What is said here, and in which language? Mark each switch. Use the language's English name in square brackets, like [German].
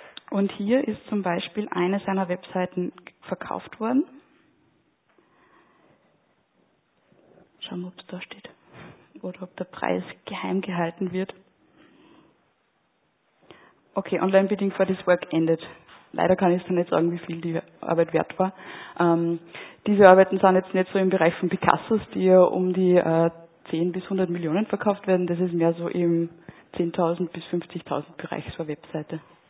[German] Und hier ist zum Beispiel eine seiner Webseiten verkauft worden. Schauen wir, ob es da steht. Oder ob der Preis geheim gehalten wird. [English] Okay, Online-Bidding for this work ended. [German] Leider kann ich es dann nicht sagen, wie viel die Arbeit wert war. Diese Arbeiten sind jetzt nicht so im Bereich von Picassos, die ja um die 10 bis 100 Millionen verkauft werden. Das ist mehr so im 10.000 bis 50.000 Bereich zur Webseite.